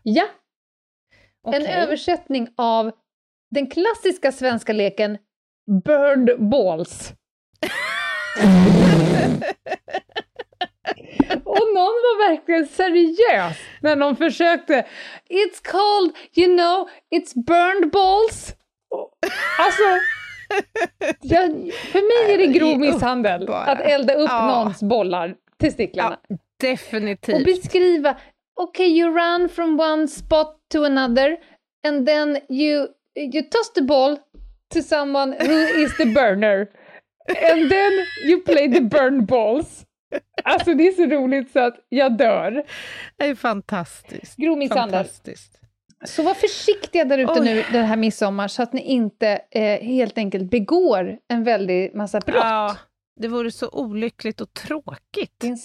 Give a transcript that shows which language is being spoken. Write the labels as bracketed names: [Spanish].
[Swedish] Ja. Okay. En översättning av den klassiska svenska leken burned balls. Och någon var verkligen seriös när någon försökte. [English] It's called, you know, it's burned balls. [Swedish] Alltså... för mig är det grov misshandel att elda upp någons bollar till sticklarna. Ja, Definitivt. Och beskriva, [English] okay, you run from one spot to another and then you toss the ball to someone who is the burner. And then you play the burn balls. [Swedish] Alltså det är så roligt så att jag dör. Det är fantastiskt. Grov misshandel. Fantastiskt. Så var försiktiga där ute nu den här midsommar så att ni inte helt enkelt begår en väldig massa brott. Ja, det vore så olyckligt och tråkigt.